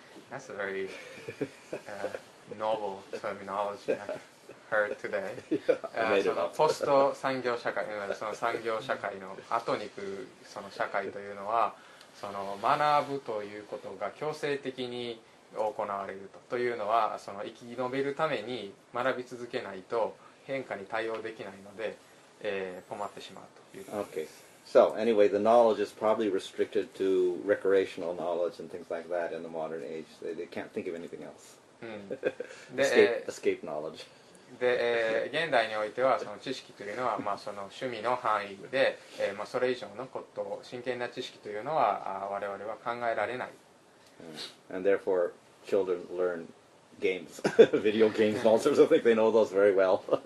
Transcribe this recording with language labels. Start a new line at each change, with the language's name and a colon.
English: That's a very, novel terminology I heard today.
Japanese: そのポスト産業社会、その産業社会の後に来るその社会というのは、その学ぶということが強制的に行われると、というのはその生き延びるために学び続けないと変化に対応できないので、困ってしまうということです。
English: Okay. So anyway, the knowledge is probably restricted to recreational knowledge and things like that in the modern age. They can't think of anything else. で、escape knowledge。
Japanese: で、現代においてはその知識というのは、まあ、その趣味の範囲で、まあ、それ以上のこと、真剣な知識というのは我々は考えられない。
English: And therefore, children learn games, video games, all sorts of things. They know those very well.